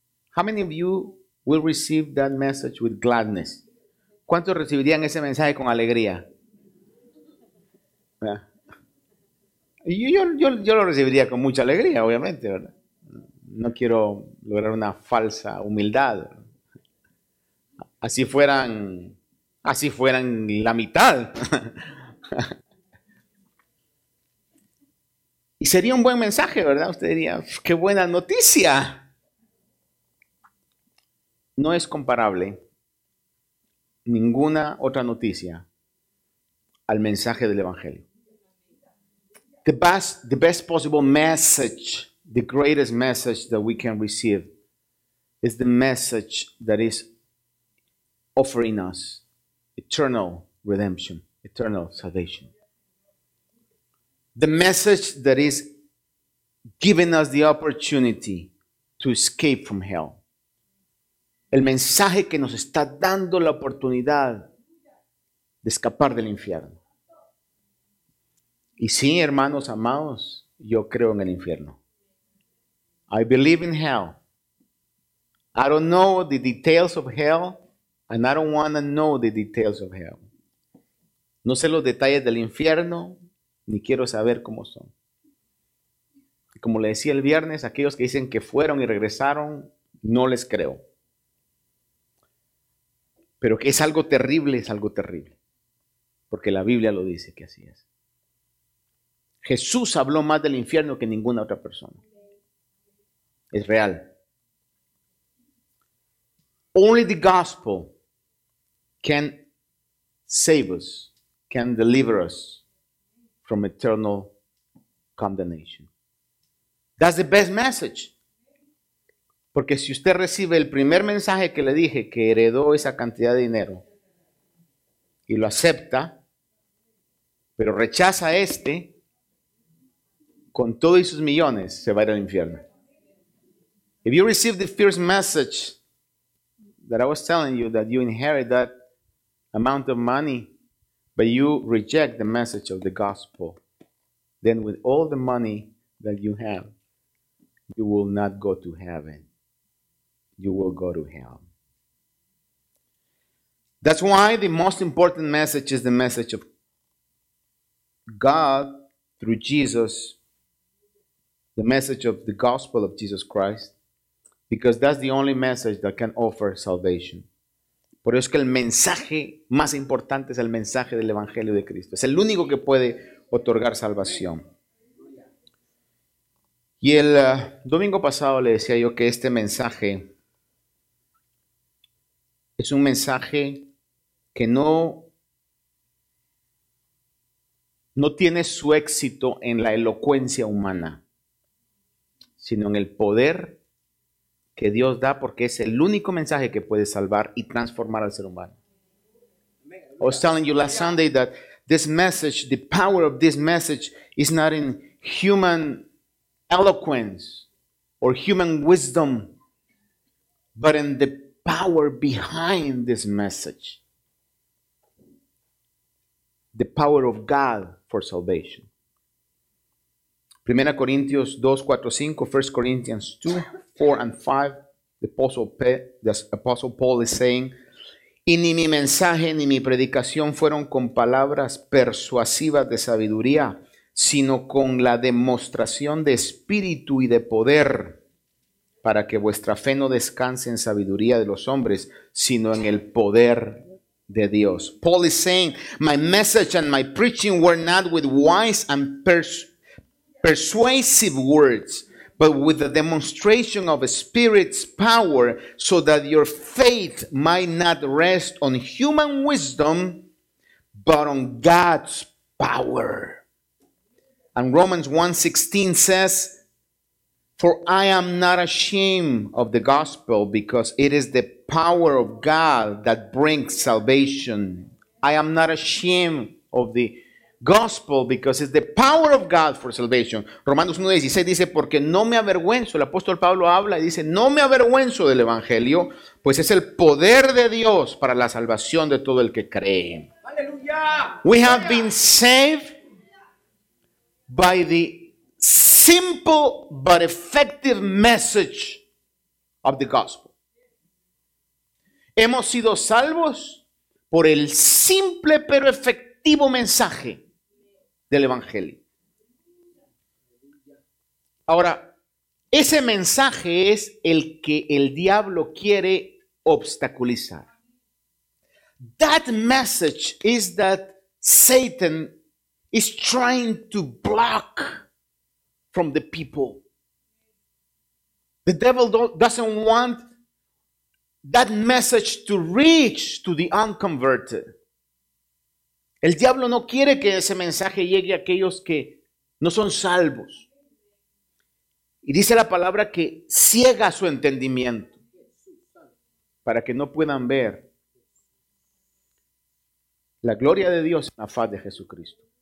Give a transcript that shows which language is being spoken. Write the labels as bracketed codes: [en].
[en] How many of you will receive that message with gladness? [es] ¿Cuántos recibirían ese mensaje con alegría? Yo lo recibiría con mucha alegría, obviamente, ¿verdad? No quiero lograr una falsa humildad. Así fueran la mitad. Y sería un buen mensaje, ¿verdad? Usted diría, ¡qué buena noticia! No es comparable ninguna otra noticia al mensaje del Evangelio. [en] The best possible message, the greatest message that we can receive, is the message that is offering us eternal redemption, eternal salvation. The message that is giving us the opportunity to escape from hell. [es] El mensaje que nos está dando la oportunidad de escapar del infierno. Y sí, hermanos amados, yo creo en el infierno. [en] I believe in hell. I don't know the details of hell, and I don't want to know the details of hell. [es] No sé los detalles del infierno, ni quiero saber cómo son. Como le decía el viernes, aquellos que dicen que fueron y regresaron, no les creo. Pero que es algo terrible, porque la Biblia lo dice que así es. Jesús habló más del infierno que ninguna otra persona. Es real. [en] Only the gospel can save us, can deliver us from eternal condemnation. That's the best message. [es] Porque si usted recibe el primer mensaje que le dije, que heredó esa cantidad de dinero, y lo acepta, pero rechaza este, con todos sus millones, se va a ir al infierno. [en] If you receive the first message that I was telling you, that you inherit that amount of money, but you reject the message of the gospel, then with all the money that you have, you will not go to heaven. You will go to hell. That's why the most important message is the message of God through Jesus, the message of the gospel of Jesus Christ, because that's the only message that can offer salvation. [es] Por eso es que el mensaje más importante es el mensaje del Evangelio de Cristo. Es el único que puede otorgar salvación. Y el domingo pasado le decía yo que este mensaje es un mensaje que no tiene su éxito en la elocuencia humana, sino en el poder que Dios da, porque es el único mensaje que puede salvar y transformar al ser humano. [en] I was telling you last Sunday that this message, the power of this message, is not in human eloquence or human wisdom, but in the power behind this message, the power of God for salvation. 1 Corinthians 2:4-5, 1 Corinthians 2:4-5, the Apostle Paul is saying, [es] y ni mi mensaje ni mi predicación fueron con palabras persuasivas de sabiduría, sino con la demostración de espíritu y de poder, para que vuestra fe no descanse en sabiduría de los hombres, sino en el poder de Dios. [en] Paul is saying, my message and my preaching were not with wise and persuasive words, but with the demonstration of Spirit's power, so that your faith might not rest on human wisdom, but on God's power. And Romans 1:16 says, for I am not ashamed of the gospel, because it is the power of God that brings salvation. I am not ashamed of the gospel, because it's the power of God for salvation. [es] Romanos 1:16 dice, porque no me avergüenzo. El apóstol Pablo habla y dice, no me avergüenzo del evangelio, pues es el poder de Dios para la salvación de todo el que cree. Aleluya. [en] We have been saved by the simple but effective message of the gospel. [es] Hemos sido salvos por el simple pero efectivo mensaje del evangelio. Ahora, ese mensaje es el que el diablo quiere obstaculizar. [en] That message is that Satan is trying to block from the people. The devil doesn't want that message to reach to the unconverted. [es] El diablo no quiere que ese mensaje llegue a aquellos que no son salvos. Y dice la palabra que ciega su entendimiento para que no puedan ver la gloria de Dios en la faz de Jesucristo.